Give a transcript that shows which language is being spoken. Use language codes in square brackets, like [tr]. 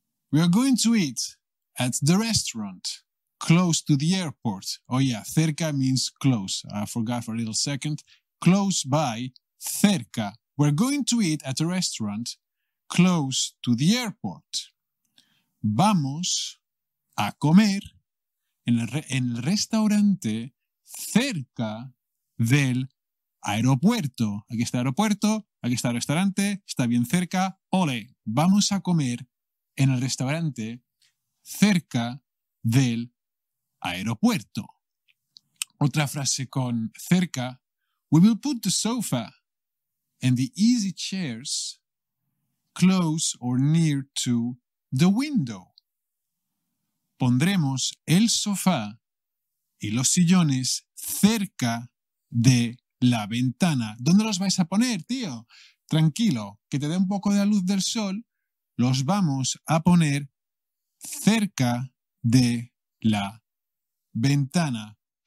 [en] We are going to eat at the restaurant. Close to the airport. Oh yeah, cerca means close. I forgot for a little second. Close by, cerca. We're going to eat at a restaurant close to the airport. [es] Vamos a comer en el restaurante cerca del aeropuerto. Aquí está el aeropuerto, aquí está el restaurante, está bien cerca. Ole, vamos a comer en el restaurante cerca del aeropuerto. Otra frase con cerca. [en] We will put the sofa and the easy chairs close or near to the window. [es] Pondremos el sofá y los sillones cerca de la ventana. ¿Dónde los vais a poner, tío? tranquilo, que te dé un poco de la luz del sol, los vamos a poner cerca de la ventana.